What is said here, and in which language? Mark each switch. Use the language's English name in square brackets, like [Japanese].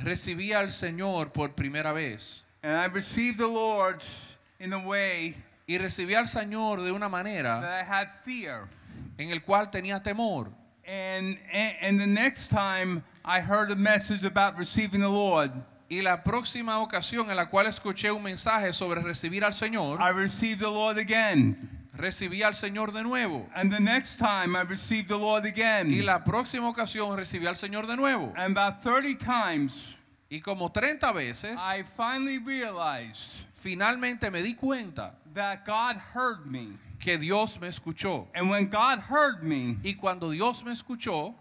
[Spanish] Recibí al Señor por primera vez. [English] And I received the Lord in a way. [Spanish] Y recibí al Señor de una manera. [English] That I had fear. [Spanish] En el cual tenía temor. [English] And the next time I heard a message about receiving the Lord. [Spanish] Y la próxima ocasión en la cual escuché un mensaje sobre recibir al Señor. [English] I received the Lord again. [Spanish] Recibí al Señor de nuevo. [English] And the next time I received the Lord again. [Spanish] Y la próxima ocasión recibí al Señor de nuevo. [English] And about 30 times. [Spanish] Y como 30 veces. [English] I finally realized. [Spanish] Finalmente me di cuenta. [English] That God heard me. [Spanish] Que Dios me escuchó. [English] And when God heard me. [Spanish] Y cuando Dios me escuchó.